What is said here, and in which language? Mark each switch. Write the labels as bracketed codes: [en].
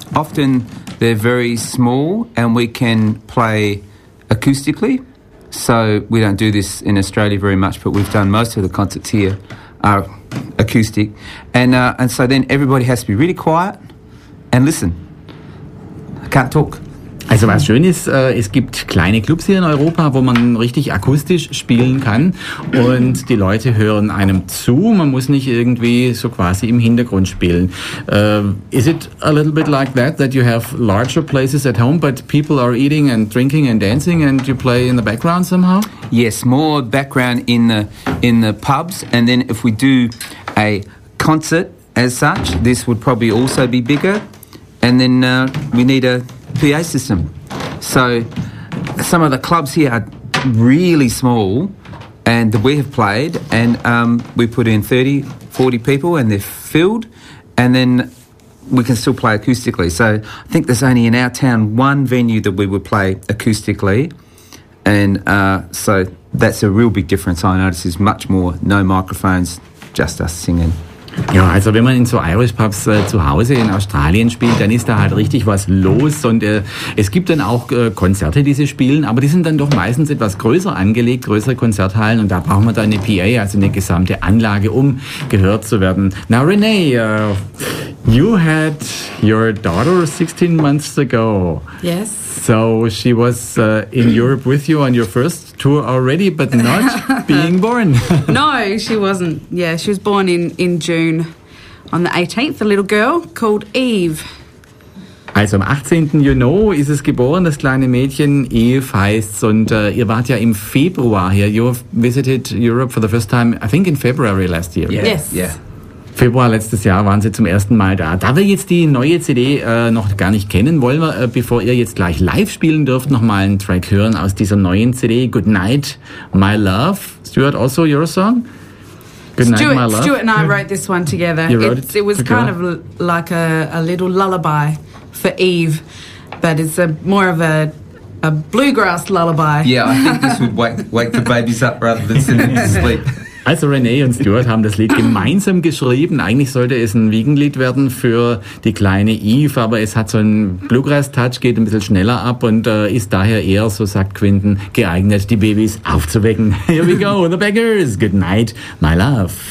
[en] Often they're very small and we can play acoustically. So we don't do this in Australia very much, but we've done most of the concerts here are acoustic. And so then everybody has to be really quiet and listen. I can't talk. [de] Also was schön ist, es gibt kleine Clubs hier in Europa, wo man richtig akustisch spielen kann und die Leute hören einem zu. Man muss nicht irgendwie so quasi im Hintergrund spielen. [en] Is it a little bit like that you have larger places at home, but people are eating and drinking and dancing and you play in the background somehow? Yes, more background in the pubs, and then if we do a concert as such, this would probably also be bigger, and then we need a PA system. So some of the clubs here are really small and we have played and we put in 30, 40 people and they're filled and then we can still play acoustically. So I think there's only in our town one venue that we would play acoustically and so that's a real big difference. I notice is much more no microphones, just us singing. [de] Ja, also wenn man in so Irish Pubs zu Hause in Australien spielt, dann ist da halt richtig was los und es gibt dann auch Konzerte, die sie spielen, aber die sind dann doch meistens etwas größer angelegt, größere Konzerthallen und da braucht man dann eine PA, also eine gesamte Anlage, um gehört zu werden. [en] Now Renee, you had your daughter 16 months ago. Yes. So she was in Europe with you on your first tour already, but not being born. No, she wasn't. Yeah, she was born in June on the 18th, a little girl called Eve. [de] Also am 18. Juni ist es geboren, das kleine Mädchen, Eve heißt's. Und ihr wart ja im Februar hier. [en] You visited Europe for the first time, I think in February last year. Yes. Yeah. [de] Februar letztes Jahr waren sie zum ersten Mal da. Da wir jetzt die neue CD noch gar nicht kennen, wollen wir, bevor ihr jetzt gleich live spielen dürft, nochmal einen Track hören aus dieser neuen CD. [en] Good Night, My Love. Stuart, also your song? Good Night, My Love. Stuart and I wrote this one together. You wrote it? It was kind of like a little lullaby for Eve, but it's more of a bluegrass lullaby. Yeah, I think this would wake the babies up rather than send them to sleep. [de] Also Renee und Stuart haben das Lied gemeinsam geschrieben. Eigentlich sollte es ein Wiegenlied werden für die kleine Eve, aber es hat so einen Bluegrass-Touch, geht ein bisschen schneller ab und ist daher eher, so sagt Quinton, geeignet, die Babys aufzuwecken. [en] Here we go, the Beggars. Good night, my love.